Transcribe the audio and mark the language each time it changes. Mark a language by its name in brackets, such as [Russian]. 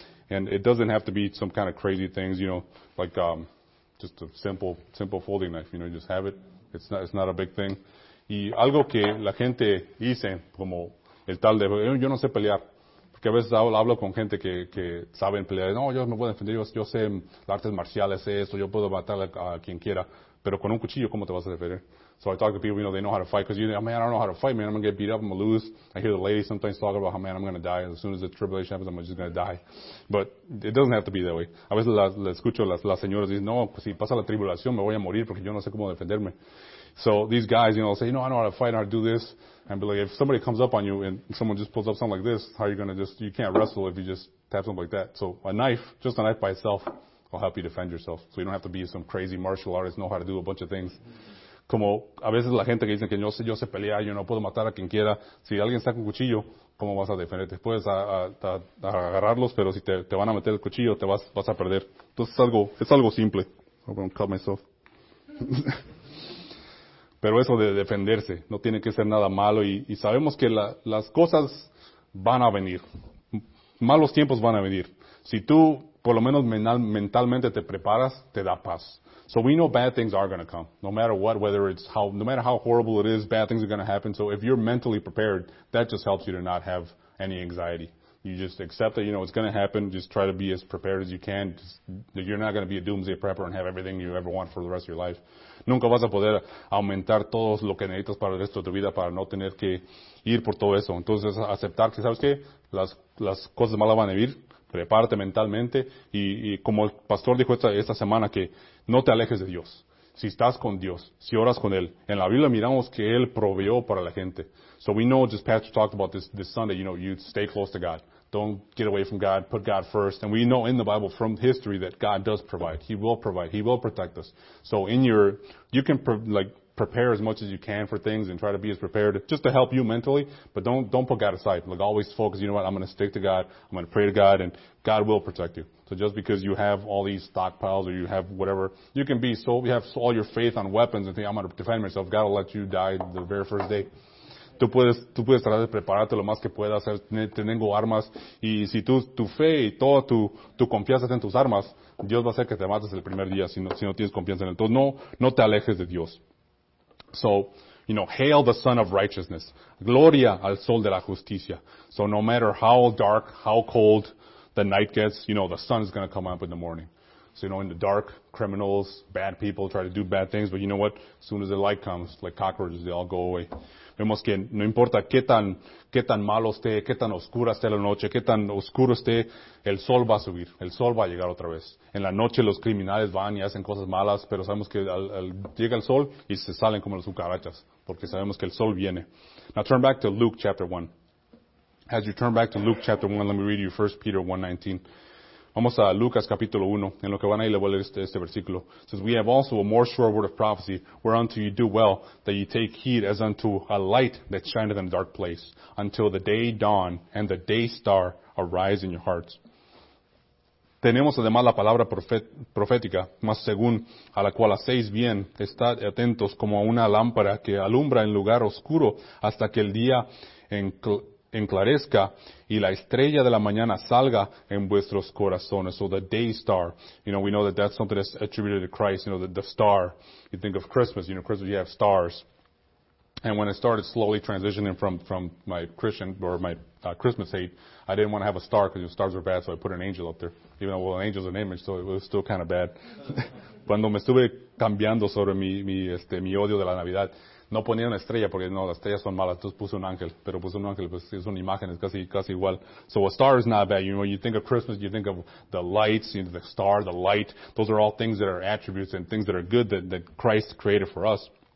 [English] And it doesn't have to be some kind of crazy things, you know, like just a simple folding knife. You know, you just have it. It's not a big thing. [Spanish] Y algo que la gente dice, como el tal de, yo no sé pelear. Porque a veces hablo con gente que saben pelear. No, yo me puedo defender. Yo sé artes marciales, sé esto. Yo puedo matar a quien quiera. Pero con un cuchillo, ¿cómo te vas a defender? [English] So I talk to people, you know, they know how to fight. Because you think, oh, man, I don't know how to fight, man. I'm going to get beat up. I'm going to lose. I hear the ladies sometimes talk about how, man, I'm going to die. As soon as the tribulation happens, I'm just going to die. But it doesn't have to be that way. [Spanish] A veces la escucho las señoras dicen, no, pues si pasa la tribulación, me voy a morir porque yo no sé cómo defenderme. [English] So these guys, you know, say, you know, I know how to fight, I know how to do this. And be like, if somebody comes up on you and someone just pulls up something like this, how are you going to just, you can't wrestle if you just tap something like that. So a knife, just a knife by itself, will help you defend yourself. So you don't have to be some crazy martial artist, know how to do a bunch of things. [Spanish] Como a veces la gente que dice que yo sé pelear, yo no puedo matar a quien quiera. Si alguien saca un cuchillo, ¿cómo vas a defenderte? Puedes a agarrarlos, pero si te van a meter el cuchillo, te vas a perder. Entonces es algo simple. [English] I'm going to cut myself. [Spanish] Pero eso de defenderse, no tiene que ser nada malo. Y sabemos que las cosas van a venir. Malos tiempos van a venir. Si tú, por lo menos mentalmente te preparas, te da paz. [English] So we know bad things are going to come. No matter what, whether it's how, no matter how horrible it is, bad things are going to happen. So if you're mentally prepared, that just helps you to not have any anxiety. You just accept that, you know, it's going to happen. Just try to be as prepared as you can. Just, you're not going to be a doomsday prepper and have everything you ever want for the rest of your life. [Spanish] Nunca vas a poder aumentar todo lo que necesitas para el resto de tu vida para no tener que ir por todo eso. Entonces, aceptar que, ¿sabes qué? Las cosas malas van a venir. Prepárate mentalmente. Y como el pastor dijo esta semana, que no te alejes de Dios. Si estás con Dios, si oras con Él. En la Biblia miramos que Él proveyó para la gente. [English] So we know, just Pastor talked about this Sunday, you know, you stay close to God. Don't get away from God. Put God first. And we know in the Bible from history that God does provide. He will provide. He will protect us. So in your, you can prepare as much as you can for things and try to be as prepared just to help you mentally. But don't put God aside. Like, always focus. You know what? I'm going to stick to God. I'm going to pray to God, and God will protect you. So just because you have all these stockpiles or you have whatever, you can be so, you have all your faith on weapons and think, I'm going to defend myself. God will let you die the very first day. [Spanish] Tú puedes tratar de prepararte lo más que puedas. Tengo armas. Y si tu fe y toda tu confianza está en tus armas, Dios va a hacer que te mates el primer día si no tienes confianza en Él. Entonces, no te alejes de Dios. [English] So, you know, hail the Son of Righteousness. [Spanish] Gloria al Sol de la Justicia. [English] So no matter how dark, how cold the night gets, you know, the sun is going to come up in the morning. So, you know, in the dark, criminals, bad people try to do bad things. But you know what? As soon as the light comes, like cockroaches, they all go away. [Spanish] Vemos que no importa qué tan malo esté, qué tan oscura esté la noche, qué tan oscuro esté, el sol va a subir, el sol va a llegar otra vez. En la noche los criminales van y hacen cosas malas, pero sabemos que llega el sol y se salen como las cucarachas, porque sabemos que el sol viene. [English] Now turn back to Luke chapter 1. As you turn back to Luke chapter 1, let me read you 1 Peter 1:19. [Spanish] Vamos a Lucas capítulo 1, en lo que van ahí le voy a leer este versículo. [English] It says, we have also a more sure word of prophecy, whereunto you do well, that you take heed as unto a light that shineth in a dark place, until the day dawn and the day star arise in your hearts. [Spanish] Tenemos además la palabra profética, más según a la cual hacéis bien, estad atentos como a una lámpara que alumbra en lugar oscuro hasta que el día enclarezca y la estrella de la mañana salga en vuestros corazones. [English] So the day star, you know, we know that that's something that's attributed to Christ, you know, the star. You think of Christmas, you know, Christmas, you have stars. And when I started slowly transitioning from my Christian or my Christmas hate, I didn't want to have a star because stars were bad, so I put an angel up there. Even though, well, an angel's an image, so it was still kind of bad. [Spanish] Cuando me estuve cambiando sobre mi odio de la Navidad, no ponía una estrella porque no, las estrellas son malas. Entonces puse un ángel, pero puse un ángel, pues es una imagen, es casi igual. [English] So a star is not bad. You know, you think of Christmas, you think of the lights, you know, the star, the light. Those are all things that are attributes and things that are good that Christ created for us.